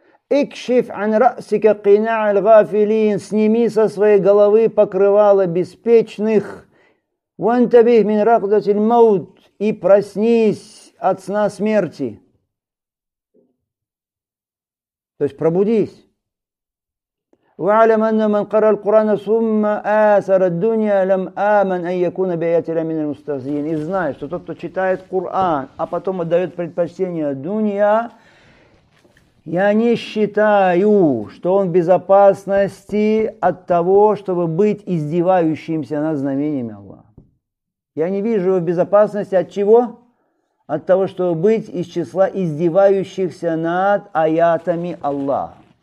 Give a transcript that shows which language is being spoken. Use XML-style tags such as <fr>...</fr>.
<ar>Икшиф ан расика кина аль гафилин,</ar> <ru>сними со своей головы покрывало беспечных.</ru> <ar>Вантабих мин рахдатиль маут.</ar> <ru>И проснись от сна смерти. То есть пробудись.</ru> <ar>وعلم أن من قرأ القرآن ثم آثر الدنيا لم آمن أن يكون بآياتنا من المستهزئين.</ar> <ru>И знай, что тот, кто читает Коран, а потом отдает предпочтение дунья, я не считаю, что он в безопасности от того, чтобы быть издевающимся над знамениями Аллаха. Я не вижу его в безопасности. От чего? От того, чтобы быть из числа издевающихся над аятами Аллаха.</ru>